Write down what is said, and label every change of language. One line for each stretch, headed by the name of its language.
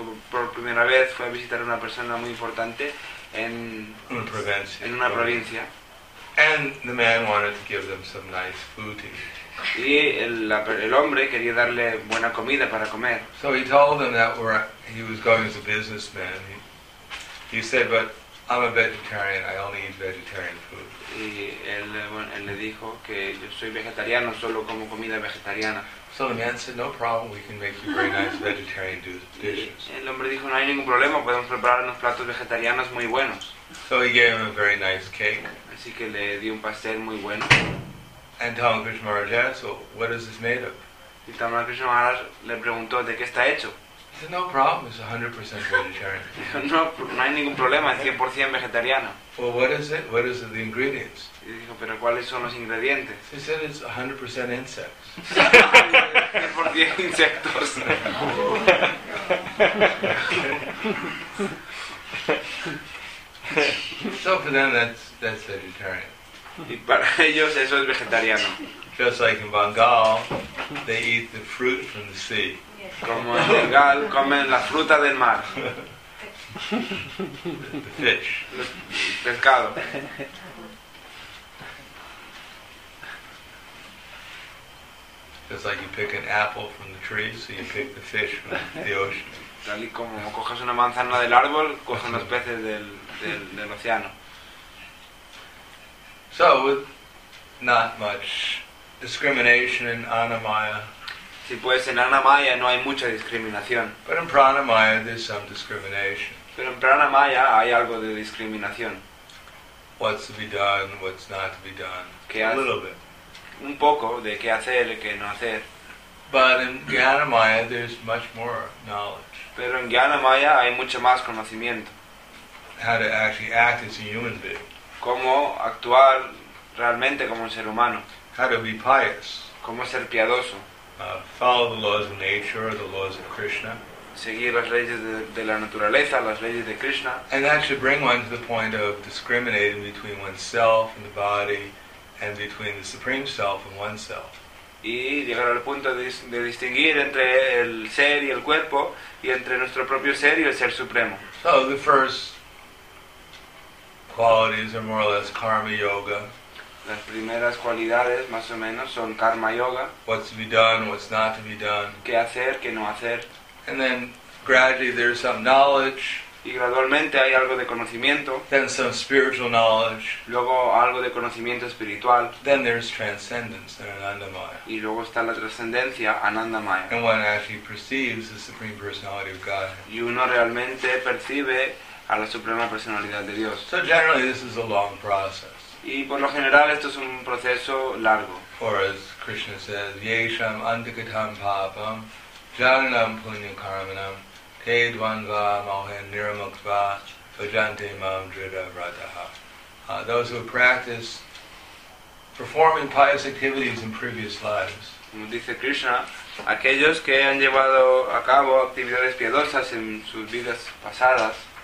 Spanish: Por primera vez fue a visitar a una persona muy importante en una provincia.
English: And the man wanted to give them some nice food to eat.
Spanish: Y el hombre quería darle buena comida para comer.
English: So he told them that he was going as a businessman. He said, but I'm a vegetarian, I only eat vegetarian food.
Spanish: Y él le dijo que yo soy vegetariano, solo como comida vegetariana.
English: So the man said, no problem, we can make you very nice vegetarian dishes.
Spanish: Y el hombre dijo, no hay ningún problema, podemos preparar unos platos vegetarianos muy buenos.
English: So he gave him a very nice cake.
Spanish: Así que le dio un pastel muy bueno.
English: And Tamal Krishna Maharaj asked, what is this made of?
Spanish: Y Tamal Krishna Maharaj le preguntó, ¿de qué está hecho?
English: No problem. It's 100% vegetarian.
Spanish: No hay ningún problema. Es 100% vegetariano.
English: Well, what is it? What is it, the ingredients?
Spanish: Y dijo, pero ¿cuáles son los ingredientes?
English: He said it's 100% insects.
Spanish: 100% insectos.
English: So for them, that's vegetarian.
Spanish: Y para ellos eso es vegetariano.
English: Just like in Bengal, they eat the fruit from the sea.
Spanish: Como en Bengal comen la fruta del mar.
English: The fish.
Spanish: El pescado.
English: Just like you pick an apple from the tree, so you pick the fish from the ocean.
Spanish: Tal y como coges una manzana del árbol, coges los peces del océano.
English: So, with not much discrimination in Anamaya.
Spanish: Sí, pues en Anamaya no hay mucha discriminación.
English: But in Pranamaya, there's some discrimination.
Spanish: Pero en Pranamaya hay algo de discriminación.
English: What's to be done, what's not to be done. A little bit.
Spanish: Un poco de qué hacer y qué no hacer.
English: But in Gyanamaya, there's much more knowledge.
Spanish: Pero en Gyanamaya hay mucho más conocimiento.
English: How to actually act as a human being.
Spanish: Cómo actuar realmente como un ser humano.
English: How to be pious.
Spanish: Cómo ser piadoso.
English: Follow the laws of nature, the laws of Krishna.
Spanish: Seguir las leyes de la naturaleza, las leyes de Krishna.
English: And that should bring one to the point of discriminating between oneself and the body, and between the Supreme Self and oneself.
Spanish: Y llegar al punto de distinguir entre el ser y el cuerpo, y entre nuestro propio ser y el ser supremo.
English: So the first qualities are more or less karma yoga.
Spanish: Las primeras cualidades, más o menos, son karma yoga.
English: What's to be done, what's not to be done.
Spanish: Qué hacer, qué no hacer.
English: And then gradually there's some knowledge.
Spanish: Y gradualmente hay algo de conocimiento.
English: Then some spiritual knowledge.
Spanish: Luego algo de conocimiento espiritual.
English: Then there's transcendence, then Anandamaya.
Spanish: Y luego está la trascendencia, Anandamaya.
English: And one actually perceives the Supreme Personality of God.
Spanish: Y uno realmente percibe a la Suprema Personalidad de Dios.
English: So generally this is a long process.
Spanish: Y por lo general esto es un proceso largo.
English: Or as Krishna says,
Sanskrit: Yesham Andikatam Papam Jananam Punya Karmanam Te Dvanva Mohen Niramukva Vajante Mam Drida Vrataha.
English: Those who practice performing pious activities in previous lives.
Spanish: Como dice Krishna, aquellos que han llevado a cabo actividades piadosas en sus vidas pasadas.